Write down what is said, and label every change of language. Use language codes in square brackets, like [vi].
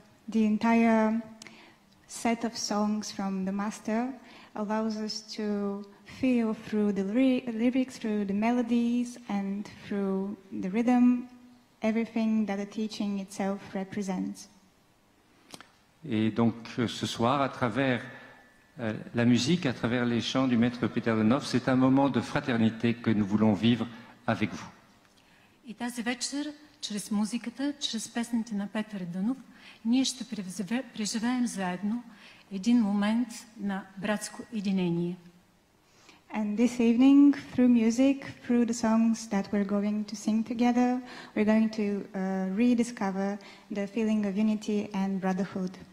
[en] The entire set of songs from the master allows us to feel through the lyrics, through the melodies and through the rhythm everything that the teaching itself represents. [fr] Et donc ce soir, à travers la musique, à travers les chants du maître Peter Deunov, c'est un moment de fraternité que nous voulons vivre avec vous. Et [bg] тази вечер, чрез музиката, чрез песните на Петър Дънов, ние ще преживеем заедно един момент на братско единение. [en] And this evening, through music, through the songs that we're going to sing together, we're going to rediscover the feeling of unity and brotherhood.